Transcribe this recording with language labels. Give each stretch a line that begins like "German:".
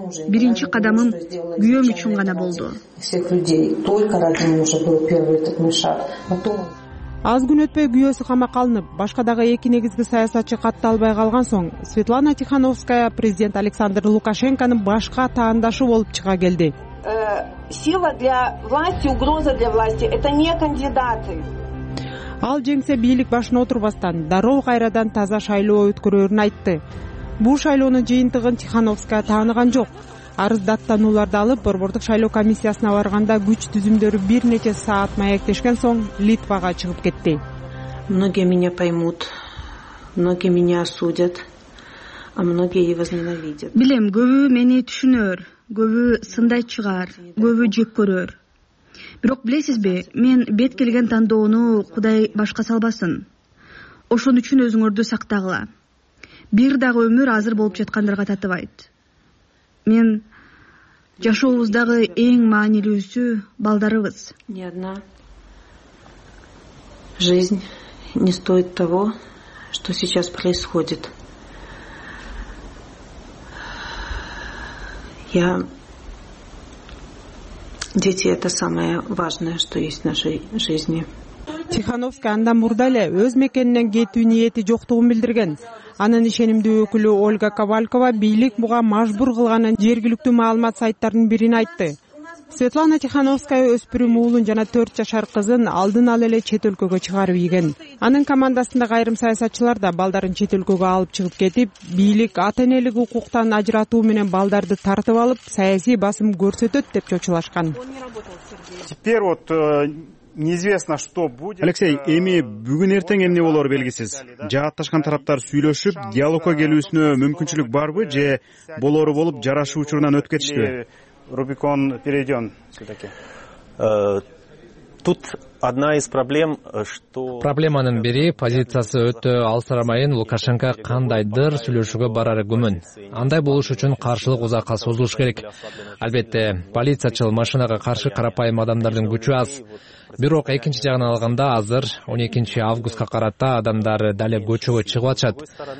Kyrgyz: Биринчи кадамым күйөөм үчүн гана болду. Аз күн өтпөй күйөөсү камакка алынып, башка дагы эки негизги саясатчы катталбай калган соң, Светлана Тихановская президент Александр Лукашенконун башка таандашы болуп чыга келди.
Russian: Сила для власти, угроза для власти – это не кандидаты.
Kyrgyz: Ал жеңсе бийлик башына отурбастан, дароо кайрадан таза шайлоо өткөрөрүн айтты. Бул шайлоонун жыйынтыгын Тихановская тааныган жок. Арыздаттанууларды алып, борбордук шайлоо комиссиясына барганда күч түзүмдөрү бир нече саат маектешкен соң Литвага чыгып кетти.
Russian: Многие меня поймут, многие меня осудят, а многие и возненавидят.
Kyrgyz: Билем, көбү мени түшүнөр, көбү сындай чыгар, көбү жек көрөр. Бирок билесизби, мен бет келген тандоону Кудай башка салбасын. Ошон үчүн өзүңөрдү сактагыла. Бир дагы өмүр азыр болуп жаткандарга татыбайт. Мен жашообуздагы эң маанилүүсү балдарыбыз.
Russian: Ни одна жизнь не стоит того, что сейчас происходит. Я дети это самое важное, что есть в нашей жизни.
Kyrgyz: Тихановский андан мурда эле өз мекенинен кетүү ниети жоктугун билдирген. Анын ишенимдүү өкүлү Ольга Ковалькова бийлик буга мажбур кылганын жергиликтүү маалымат сайттарынын бирин айтты. Светлана Тихановская өспүрүм уулун жана 4 жашар кызын алдын ала эле чет өлкөгө чыгарып ийген. Анын командасында айрым саясатчылар да балдарын чет өлкөгө алып чыгып кетип, бийлик ата-энелик укуктан ажыратуу менен балдарды тартып алып, саясий басым көрсөтөт деп чочулашкан.
Russian: Теперь вот неизвестно, что будет.
Kyrgyz: Алексей, эми бүгүн эртең эмне болору белгисиз. Жаатташкан тараптар сүйлөшүп, диалогко келүүсүнө мүмкүнчүлүк барбы же болору болуп жарашуу учурунан өтүп кетишти?
Russian: Рубикон перейден все-таки. Тут одна из проблем, что...
Kyrgyz: Проблеманын бири позициясы өтө алсырамайын Лукашенко кандайдыр сүйлөшүүгө барары күмөн. Андай болуш үчүн каршылык узакка созулуш керек. Албетте, полициячыл машинага каршы карапайым адамдардын күчү аз. Бирок экинчи жагынан алганда азыр 12 августка карата адамдар дал эле көчөгө чыгып атышат.